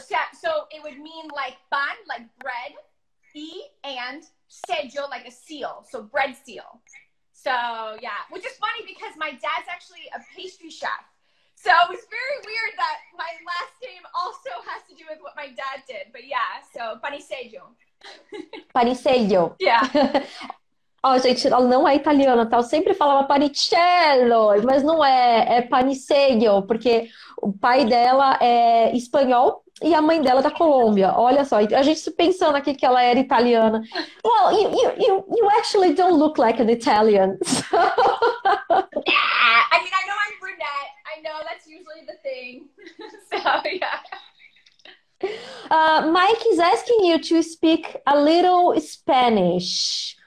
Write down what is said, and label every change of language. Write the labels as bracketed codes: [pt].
[en] So it would mean like pan, like bread, y and sello, like a seal. So bread seal. So yeah, which is funny because my dad's actually a pastry chef. So it was very weird that my last name also has to do with what my dad did. But yeah, so Panisello. Panisello. Yeah. [pt] Ó, gente, ela não é italiana, tá? Eu sempre falava Panicello, mas não é, é Panisello, porque o pai dela é espanhol e a mãe dela é da Colômbia. Olha só, a gente pensando aqui que ela era italiana. [en] Well, you actually don't look like an Italian. So. Yeah, I mean, I know I'm brunette. I know that's usually the thing. So, yeah. Mike is asking you to speak a little Spanish.